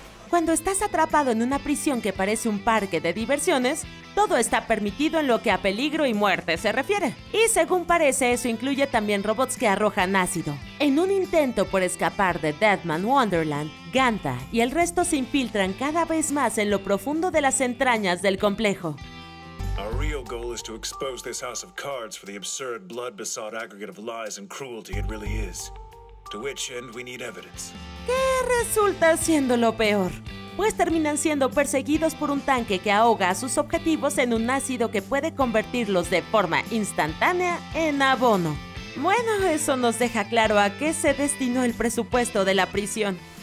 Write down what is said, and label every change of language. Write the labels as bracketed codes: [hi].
[es] Cuando estás atrapado en una prisión que parece un parque de diversiones, todo está permitido en lo que a peligro y muerte se refiere. Y según parece, eso incluye también robots que arrojan ácido. En un intento por escapar de Deadman Wonderland, Ganta y el resto se infiltran cada vez más en lo profundo de las entrañas del complejo. [en] Our real goal is to expose this house of cards for the absurd, blood-besought aggregate of lies and cruelty it really is. To which end we need evidence. [es] ¿Qué resulta siendo lo peor? Pues terminan siendo perseguidos por un tanque que ahoga a sus objetivos en un ácido que puede convertirlos de forma instantánea en abono. Bueno, eso nos deja claro a qué se destinó el presupuesto de la prisión.